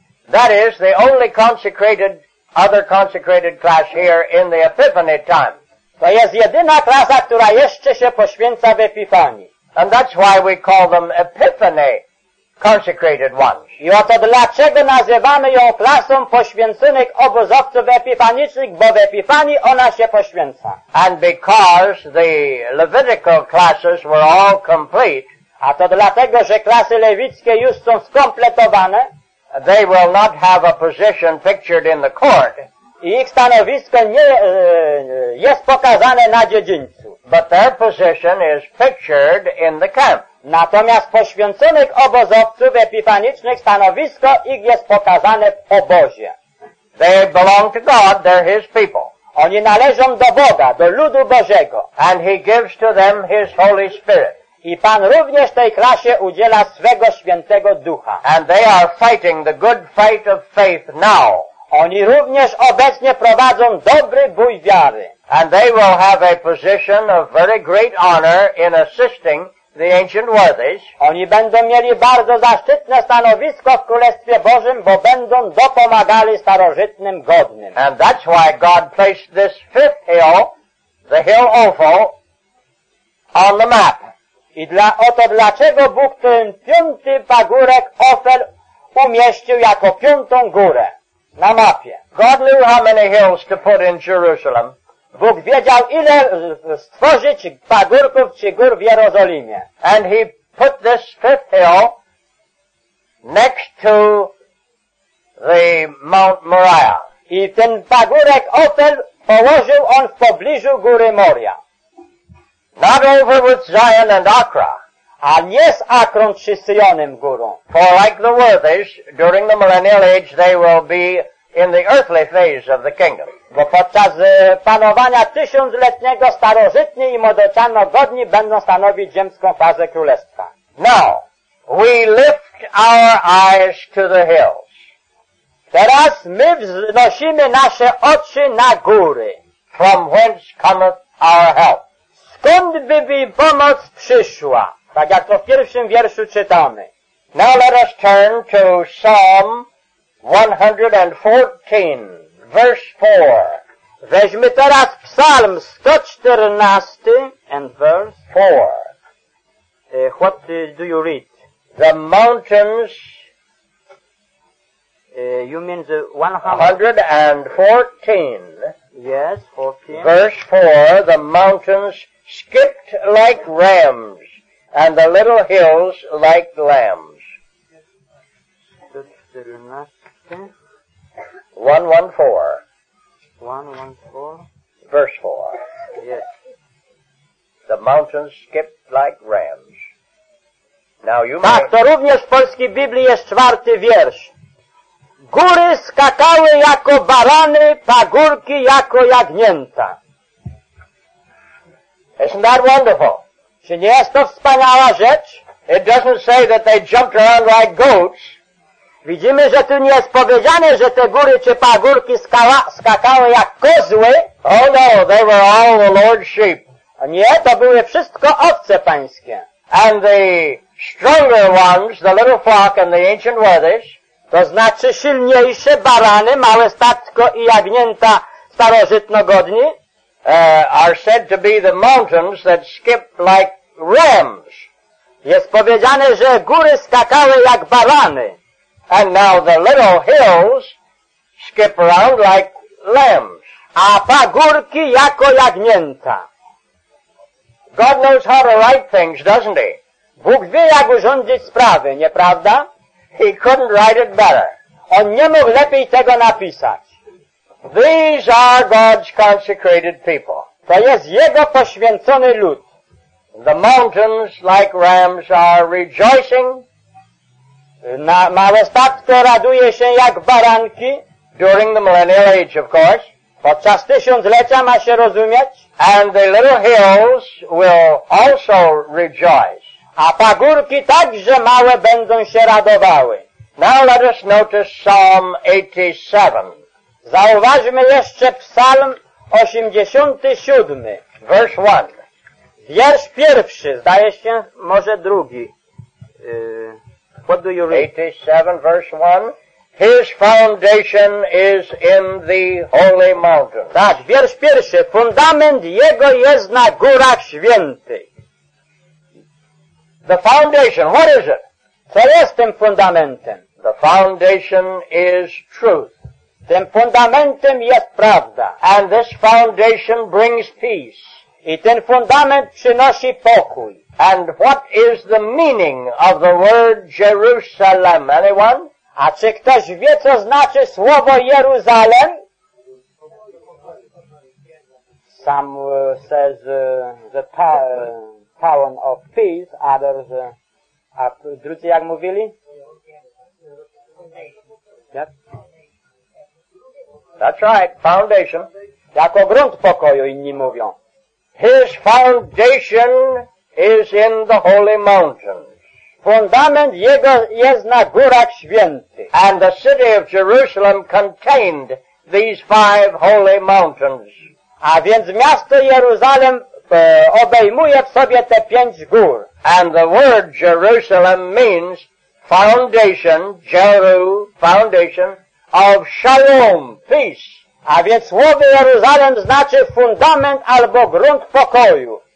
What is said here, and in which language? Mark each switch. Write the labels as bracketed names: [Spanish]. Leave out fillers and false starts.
[English] That is the only consecrated, other consecrated class here in the Epiphany time. [Polish] To jest jedyna klasa, która jeszcze się poświęca w Epifanii. [English] And that's why we call them Epiphany consecrated ones. [Polish] I oto dlaczego nazywamy ją klasą poświęconych obozowców epifanicznych, bo w Epifanii ona się poświęca. [English] And because the Levitical classes were all complete, [Polish] a to dlatego, że klasy lewickie już są skompletowane, [English] they will not have a position pictured in the court. [Polish] I ich stanowisko nie jest pokazane na dziedzińcu. [English] But their position is pictured in the camp. [Polish] Natomiast poświęconych obozowców epifanicznych stanowisko ich jest pokazane w obozie. [English] They belong to God, they're his people. [Polish] Oni należą do Boga, do ludu Bożego. [English] And he gives to them his Holy Spirit. [Polish] I Pan również tej klasie udziela swego świętego ducha. [English] And they are fighting the good fight of faith now. [Polish] Oni również obecnie prowadzą dobry bój wiary. [English] And they will have a position of very great honor in assisting the ancient worthies. [Polish] Oni będą mieli bardzo zaszczytne stanowisko w Królestwie Bożym, bo będą dopomagali starożytnym godnym. [English] And that's why God placed this fifth hill, the hill Ophel, on the map. [Polish] I dla, oto dlaczego Bóg ten piąty pagórek Ophel umieścił jako piątą górę na mapie. [English] God knew how many hills to put in Jerusalem. [Polish] Bóg wiedział, ile stworzyć pagórków czy gór w Jerozolimie. [English] And he put this fifth hill next to the Mount Moriah. [Polish] I ten pagórek Ophel położył on w pobliżu góry Moria. [English] Not over with Zion and Acra. [Polish] A nie z Akron czy Syjonem górą. [English] For like the worthies, during the millennial age, they will be in the earthly phase of the kingdom. [Polish] Bo podczas panowania tysiącletniego starożytni i młodocianogodni będą stanowić ziemską fazę królestwa. [English] Now, we lift our eyes to the hills. [Polish] Teraz my wznosimy nasze oczy na góry. [English] From whence cometh our help. [Polish] Skąd by mi pomoc przyszła? Tak jak to w pierwszym wierszu czytamy. [English] Now let us turn to Psalm 114, verse 4. [Polish] Weźmy teraz Psalm 114, [English] and verse 4. What do you read? The mountains... You mean the 114. Yes, 14. Verse 4, the mountains... skipped like rams, and the little hills like lambs. 114. 114. Verse 4. Yes. The mountains skipped like rams. Now you [Polish] tak, [English] may... [Polish] to również w polskiej Biblii jest czwarty wiersz. Góry skakały jako barany, pagórki jako jagnięta. [English] Isn't that wonderful? [Polish] Czy nie jest to wspaniała rzecz? [English] It doesn't say that they jumped around like goats. [Polish] Widzimy, że tu nie jest powiedziane, że te góry czy pagórki skakały jak kozły. [English] Oh no, they were all the Lord's sheep. [Polish] A nie, to były wszystko owce pańskie. [English] And the stronger ones, the little flock and the ancient worthies, [Polish] to znaczy silniejsze barany, małe stadko i jagnięta starożytnogodni, [English] Are said to be the mountains that skip like rams. [Polish] Jest powiedziane, że góry skakały jak barany. [English] And now the little hills skip around like lambs. [Polish] A pagórki jako jagnięta. [English] God knows how to write things, doesn't he? [Polish] Bóg wie, jak urządzić sprawy, nieprawda? [English] He couldn't write it better. [Polish] On nie mógł lepiej tego napisać. [English] These are God's consecrated people. [Polish] To jest Jego poświęcony lud. [English] The mountains, like rams, are rejoicing. [Polish] Na małe stadko raduje się jak baranki. [English] During the millennial age, of course. [Polish] Podczas tysiąclecia ma się rozumieć. [English] And the little hills will also rejoice. [Polish] A pagórki także małe będą się radowały. [English] Now let us notice Psalm 87. [Polish] Zauważmy jeszcze Psalm 87, [English] verse 1. [Polish] Wiersz pierwszy, zdaje się, może drugi. [English] What do you read? 87, verse 1. His foundation is in the holy mountain. [Polish] Tak, wiersz pierwszy. Fundament jego jest na górach świętych. [English] The foundation, what is it? [Polish] Co jest tym fundamentem? [English] The foundation is truth. [Polish] Tym fundamentem jest prawda. [English] And this foundation brings peace. [Polish] I ten fundament przynosi pokój. [English] And what is the meaning of the word Jerusalem? Anyone? [Polish] A czy ktoś wie, co znaczy słowo Jeruzalem? [English] Some says the town of peace, others... [Polish] A drudzy jak mówili? [English] Yep. That's right, foundation. [Polish] Jako grunt pokoju, inni mówią. [English] His foundation is in the holy mountains. [Polish] Fundament jego jest na górach świętych. [English] And the city of Jerusalem contained these five holy mountains. [Polish] A więc miasto Jeruzalem obejmuje w sobie te pięć gór. [English] And the word Jerusalem means foundation, Jeru, foundation of shalom, peace. [Polish] A więc słowo Jeruzalem znaczy fundament albo grunt pokoju.